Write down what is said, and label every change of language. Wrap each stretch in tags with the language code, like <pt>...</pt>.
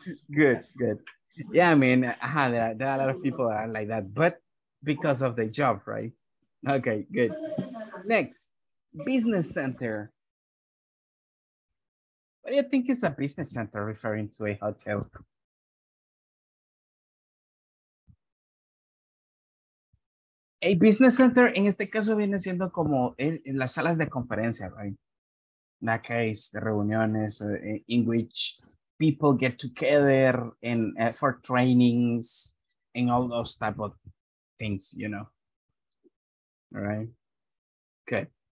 <en>Good. Yeah, I mean, there are a lot of people that are like that, but because of the job, right? Okay, good. Next, business center. What do you think is a business center referring to a hotel?</en> <es>A business center, en este caso, viene siendo como en las salas de conferencia,</es> <en>right? In that case, the reuniones in which people get together and for trainings and all those type of things, you know. All right. Good.</en>